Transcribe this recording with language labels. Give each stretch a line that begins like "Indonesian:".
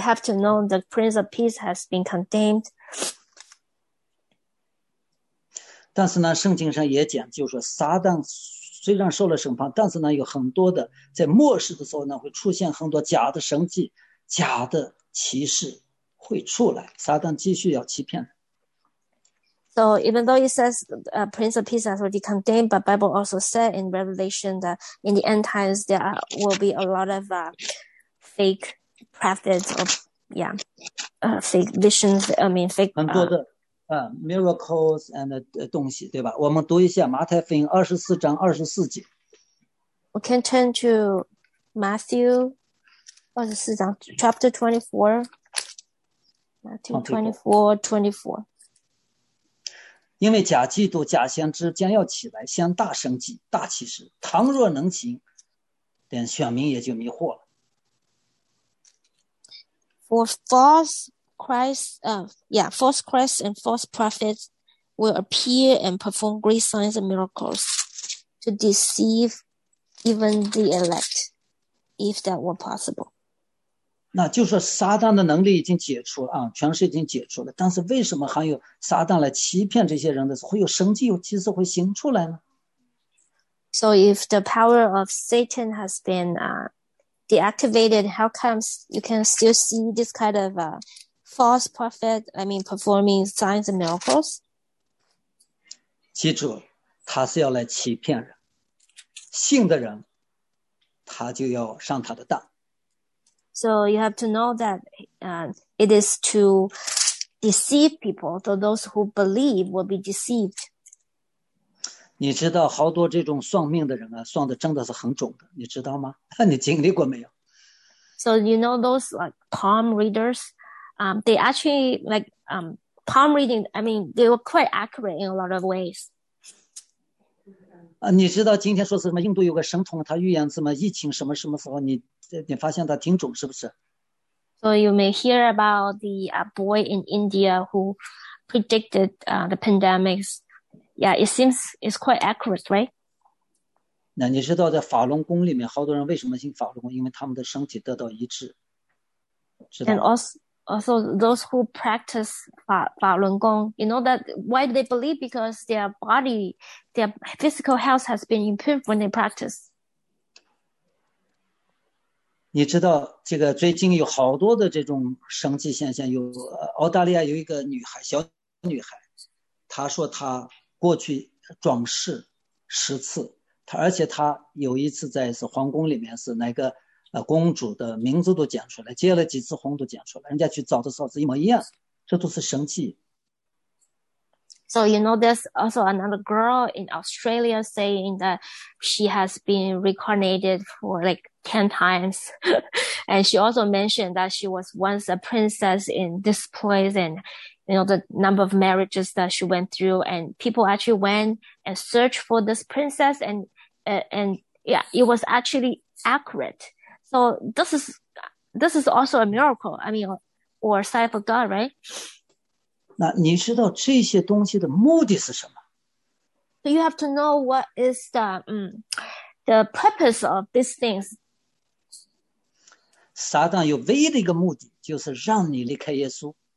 English: have to know the Prince of Peace has been condemned.
Chinese: 但是呢，圣经上也讲，就是说撒旦虽然受了审判，但是呢，有很多的在末世的时候呢，会出现很多假的神迹、假的启示会出来，撒旦继续要欺骗。
English: So even though it says Prince of Peace has already condemned, but Bible also said in Revelation that in the end times there will be a lot of fake prophets or fake visions. I mean fake.
Chinese: 很多的。
English: miracles and
Chinese: 东西，对吧？我们读一下马太福音24章24节。
English: We can turn to Matthew
Chinese: 24章,
English: chapter 24. Matthew 24, 24.
Chinese: 因为假基督、假先知将要起来，向大神起大启示。倘若能行，等选民也就迷惑了。
English: For false Christ, false Christs and false prophets will appear and perform great signs and miracles to deceive even the elect, if that were possible.
Chinese: 那就是撒旦的能力已经解除了啊，权势已经解除了。但是为什么还有撒旦来欺骗这些人的时候，会有神迹，有其实会行出来呢？
English: So if the power of Satan has been deactivated, how comes you can still see this kind of false prophet, performing signs and miracles?
Chinese: 记住，他是要来欺骗人，信的人，他就要上他的当。
English: So you have to know that it is to deceive people, so those who believe will be deceived.
Chinese: 你知道好多这种算命的人啊，算的真的是很准的，你知道吗？你经历过没有？
English: So you know those like palm readers, they actually like palm reading. They were quite accurate in a lot of ways.
Chinese: 啊，你知道今天说是什么？印度有个神童，他预言什么疫情什么什么时候？你发现他挺准，是不是？
English: So you may hear about the boy in India who predicted the pandemics. Yeah, it seems it's quite accurate, right?
Chinese: 那你知道在法轮功里面，好多人为什么信法轮功？因为他们的身体得到医治，知道吗？
English: And also those who practice 法轮功, you know that why do they believe? Because their body, their physical health has been improved when they practice.
Chinese: 你知道这个最近有好多的这种神迹现象，有澳大利亚有一个女孩，小女孩，她说她过去转世十次，她而且她有一次在是皇宫里面是那个公主的名字都讲出来，接了几次红都讲出来，人家去找的时候是一模一样，这都是神迹。
English: So you know, there's also another girl in Australia saying that she has been reincarnated for like 10 times. And she also mentioned that she was once a princess in this place and, you know, the number of marriages that she went through. And people actually went and searched for this princess. And yeah, it was actually accurate. So this is also a miracle, or sign of God, right?
Chinese: 那你知道这些东西的目的是什么？
English: You have to know what is the purpose of these things.
Chinese: 撒旦有唯一的一个目的，就是让你离开耶稣。